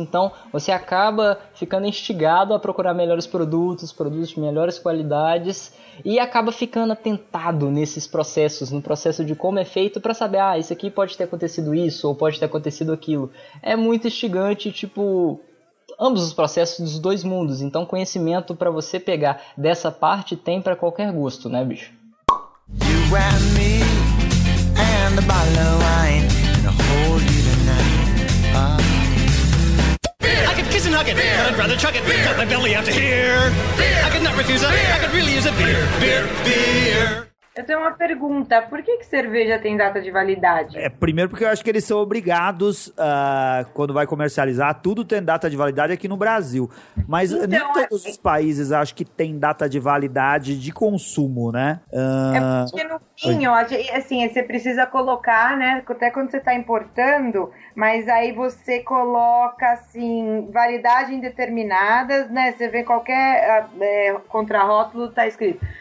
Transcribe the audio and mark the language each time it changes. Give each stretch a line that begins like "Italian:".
Portuguese: Então, você acaba ficando instigado a procurar melhores produtos, produtos de melhores qualidades, e acaba ficando atentado nesses processos, no processo de como é feito, para saber, isso aqui pode ter acontecido isso, ou pode ter acontecido aquilo. É muito instigante, tipo... Ambos os processos dos dois mundos, então conhecimento pra você pegar dessa parte tem pra qualquer gosto, né, bicho?
English: You and me and the bottle of wine and a whole year tonight. I could kiss and hug it, beer. But I'd rather chug it, beer. Cut my belly out to here. Beer. I could not refuse a beer. I could really use a beer, beer, beer.
Portuguese: Eu tenho uma pergunta, por que que cerveja tem data de validade? Primeiro porque eu acho que eles são obrigados, quando vai comercializar, tudo tem data de validade aqui no Brasil. Mas então, nem todos os países acho que tem data de validade de consumo, né? Porque no vinho, assim, você precisa colocar, né, até quando você está importando, mas aí você coloca, assim, validade indeterminada, né, você vê qualquer contrarótulo, tá escrito...